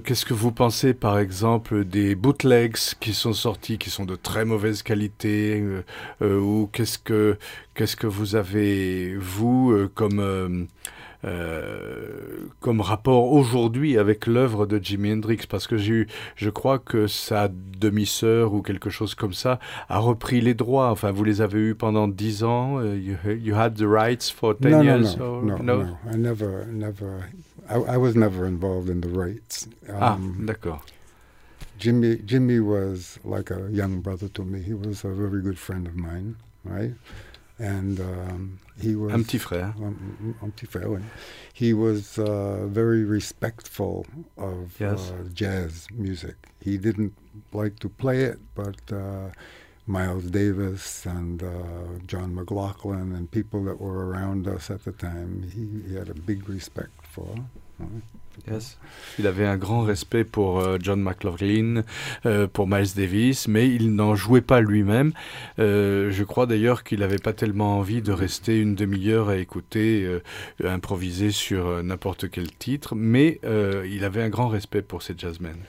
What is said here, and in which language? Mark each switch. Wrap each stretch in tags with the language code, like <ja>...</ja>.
<fr>Qu'est-ce que vous pensez, par exemple, des bootlegs qui sont sortis, qui sont de très mauvaise qualité, ou qu'est-ce que vous avez, vous, comme rapport aujourd'hui avec l'œuvre de Jimi Hendrix, parce que je crois que sa demi-sœur ou quelque chose comme ça a repris les droits. Enfin, vous les avez eus pendant 10 ans.</fr> <en>You had the rights for 10 years. No, I was never involved in the rights.</en> <fr>D'accord.</fr> <en>Jimmy was like a young brother to me. He was a very good friend of mine, right? And he was</en> <fr>un petit frère. Un petit frère.</fr> <en>He was very respectful of jazz music. He didn't like to play it, but Miles Davis and John McLaughlin and people that were around us at the time, he had a big respect for. Yes.</en> <fr>Il avait un grand respect pour John McLaughlin, pour Miles Davis, mais il n'en jouait pas lui-même. Je crois d'ailleurs qu'il n'avait pas tellement envie de rester une demi-heure à écouter, improviser sur n'importe quel titre, mais il avait un grand respect pour ces jazzmen.</fr>